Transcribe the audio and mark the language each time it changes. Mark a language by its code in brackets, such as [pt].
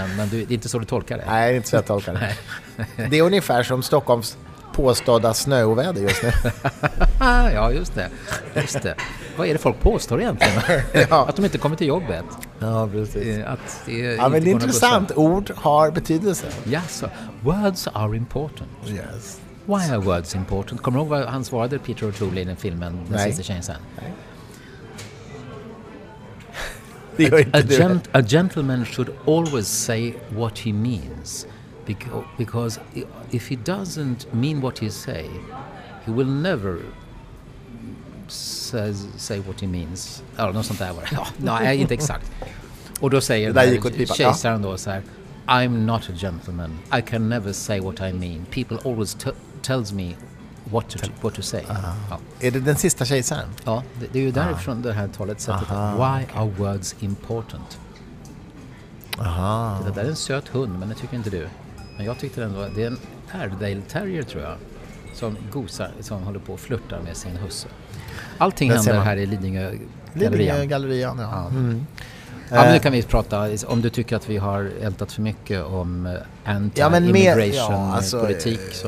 [sv] Men det är inte så du tolkar det. Nej, det är inte så jag tolkar det. Det är ungefär som Stockholms påstådda snöoväder just nu. Ja, just det. Vad är det folk påstår egentligen? Att de inte kommer till jobbet. Ja, precis. Att det ja, men det är intressant. Ord har betydelse. [en] Yes, words are important. Yes. Why are words important? [sv] Kommer du ihåg vad han svarade Peter O'Toole i den filmen Den sista tjänsten? Nej. [en] A gentleman should always say what he means. Because if he doesn't mean what he say, he will never say what he means. [sv] Eller något sånt där. Nej, inte exakt. Och då säger tjänsten då så här, [en] I'm not a gentleman. I can never say what I mean. People always tells me what to say. [sv] Ja. Är det den sista kejsaren? Ja, det är ju därifrån det här talet sättet. [en] Why are words important? Aha. [sv] Det där är en söt hund, men det tycker inte du. Men jag tyckte ändå, det är en Airedale Terrier tror jag, som gosar, som håller på och flörtar med sin husse. Allting det händer här i Lidingö gallerian. Ja. Ja. Mm. Ja, men nu kan vi prata om du tycker att vi har ältat för mycket om anti-immigration-politik.